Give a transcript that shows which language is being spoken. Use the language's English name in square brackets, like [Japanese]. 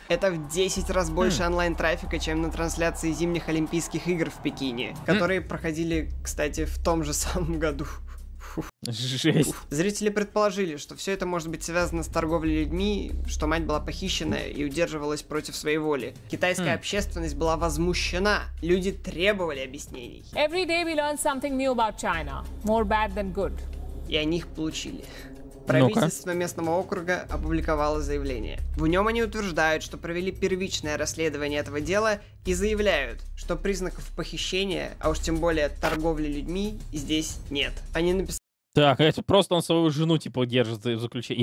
[Russian] Это в 10 раз больше онлайн-трафика, чем на трансляции зимних Олимпийских игр в Пекине, которые проходили, кстати, в том же самом году. Жесть. Зрители предположили, что все это может быть связано с торговлей людьми, что мать была похищена и удерживалась против своей воли. Китайская общественность была возмущена. Люди требовали объяснений. [English] Every day we learn something new about China. More bad than good. [Russian] И они их получили. Правительство местного округа опубликовало заявление. В нем они утверждают, что провели первичное расследование этого дела и заявляют, что признаков похищения, а уж тем более торговли людьми, здесь нет. Они написали... Так, это просто он свою жену, типа, держит в заключении.